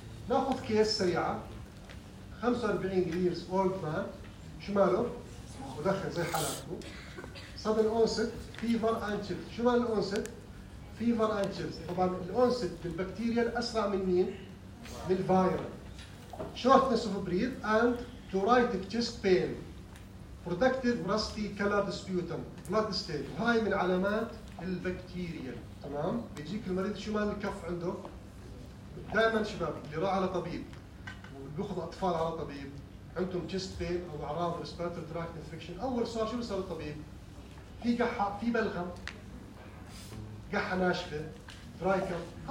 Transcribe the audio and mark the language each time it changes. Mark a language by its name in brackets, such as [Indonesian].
[Arabic] ناخذ كيس سريعه، [English] 45 years old man، [Arabic] شو ماله؟ مدخن زي حالاته. [English] sudden onset fever and chills. [Arabic] شو مال الانست؟ [English] fever and chills. [Arabic] طبعا الانست بالبكتيريا اسرع من مين؟ من الفيروس. [English] shortness of breath and pleuritic chest pain. productive rusty colored sputum blood stain. [Arabic] هاي من علامات البكتيريا. تمام. بيجيك المريض شو مال الكف عنده؟ دائما شباب اللي راح على طبيب وبياخذ اطفال على طبيب عندهم chest pain او اعراض respiratory tract infection، اول صار شو بيسوي الطبيب؟ في قحه، في بلغم، قحه ناشفه، dry cough.